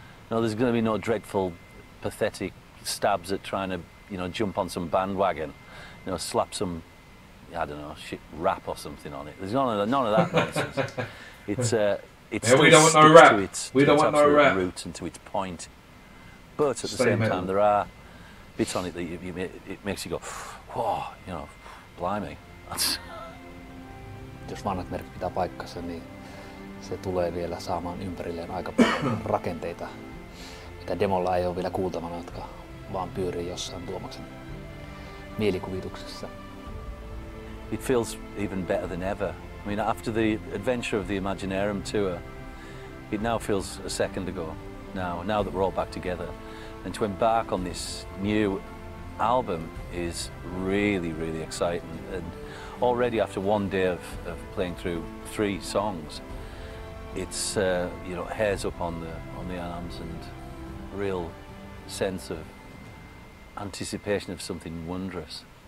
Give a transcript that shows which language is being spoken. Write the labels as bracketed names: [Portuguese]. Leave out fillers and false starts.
[English] No, there's going to be no dreadful pathetic stabs at trying to, you know, jump on some bandwagon, you know, slap some, I don't know, shit rap or something on it. There's none of that nonsense. It's we don't want no rap. We don't want no rap. To its root and to its point, but at the same time, there are bits on it that it makes you go, whoa, you know, blimey. [Finnish] Jos vanhat merkit pitää paikkansa, niin se tulee vielä saamaan ympärilleen aika paljon rakenteita, mitä demolla ei ole vielä kuultavana, jotka vaan pyörii jossain Tuomaksen mielikuvituksessa. [English] It feels even better than ever. I mean, after the adventure of the Imaginarium tour, it now feels a second ago, now that we're all back together. And to embark on this new album is really, really exciting. And already after one day of playing through three songs, it's, you know, hairs up on the arms and real sense of anticipation of something wondrous.